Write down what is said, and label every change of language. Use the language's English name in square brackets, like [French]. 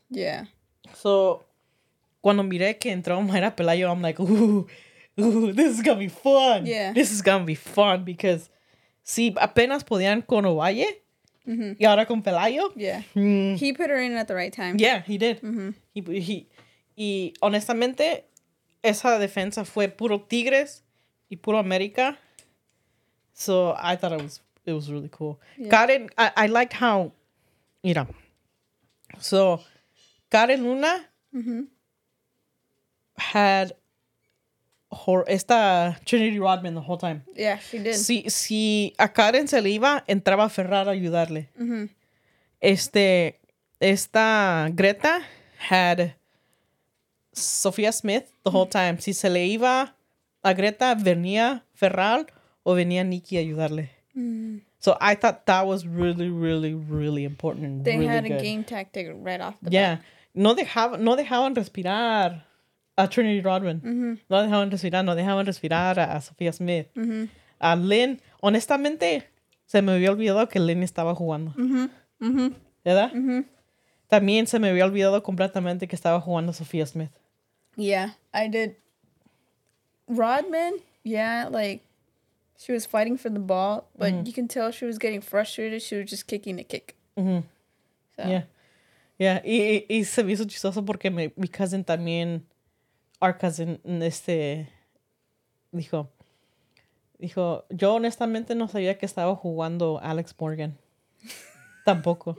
[English] Yeah. So, [Spanish] cuando miré que entró [English] Mayra Pelayo, I'm like, ooh, this is gonna be fun. Yeah. This is gonna be fun because, [Spanish] sí, apenas podían con [English] Ovalle. Mm-hmm. [Spanish] Y ahora con Pelayo. [English] Yeah. Mm. He put her in at the right time. Yeah, he did. Mm-hmm. [Spanish] Y honestamente, esa defensa fue puro Tigres y puro América. [English] So, I thought it was really cool. Yeah. Karen, I liked how, mira. So, Karen Luna had esta Trinity Rodman the whole time. Yeah, she did. [Spanish] Si a Karen se le iba, entraba Ferrar a ayudarle. Mm-hmm. [English] Esta Greta had Sophia Smith the whole time. [Spanish] Si se le iba a Greta, venía Ferrar o venía Nikki a ayudarle. Mm-hmm. [English] So I thought that was really, really, really important. They really had a good game tactic right off the yeah bat. [Spanish] No dejaban respirar a Trinity Rodman. Mm-hmm. No dejaban respirar a Sophia Smith. Mm-hmm. A Lynn, honestamente, se me había olvidado que Lynn estaba jugando. Mm-hmm. ¿Verdad? Mm-hmm. También se me había olvidado completamente que estaba jugando Sophia Smith. [English] Yeah, I did. Rodman, yeah, like, she was fighting for the ball, but mm-hmm. you can tell she was getting frustrated. She was just kicking the kick. [Spanish] Mm-hmm. So. Yeah. Y se me hizo chistoso porque mi cousin también, [English] our cousin, [Spanish] dijo, yo honestamente no sabía que estaba jugando Alex Morgan. Tampoco.